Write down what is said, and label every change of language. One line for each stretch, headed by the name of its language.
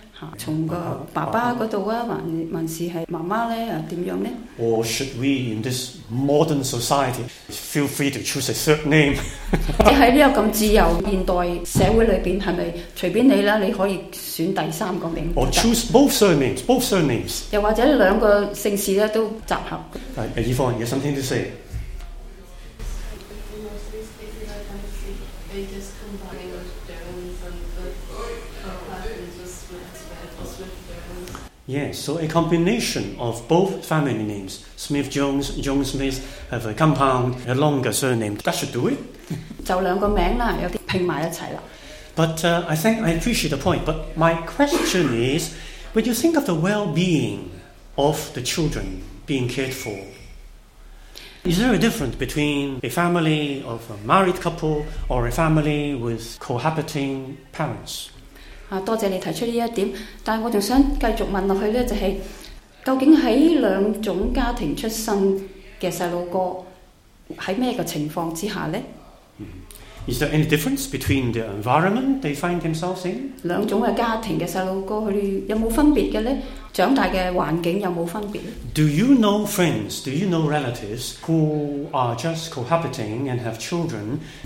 Cantonese: 嚇，從個爸爸嗰度啊，還是係媽媽咧？啊，點樣咧
English: ？Or should we in this modern society feel free to choose a surname？
Cantonese: 即喺呢個咁自由現代社會裏邊，係咪隨便你啦？你可以選第三個名。
English: Or choose both surnames, both surnames。
Cantonese: 又或者兩個姓氏咧都集合。
English: Yvonne, you have something to say? Yes, so a combination of both family names, Smith Jones, John Smith, have a compound, a longer surname. That should do it.
Cantonese: 就兩個名啦，有啲拼埋一齊啦。
English: But I think I appreciate the point. But my question is, when you think of the well-being of the children being cared for, is there a difference between a family of a married couple or a family with cohabiting parents?
Cantonese: 多謝你提出呢一點，但我仲想繼續問落去咧，就係究竟喺兩種家庭出生嘅細路哥喺咩嘅情況之下咧？
English: Is there any difference between the environment they find themselves in?
Cantonese: 兩種嘅家庭嘅細路哥，佢哋有冇分別嘅咧？長大嘅環境有冇分別咧？
English: Do you know friends? Do you know relatives who are just cohabiting and have children?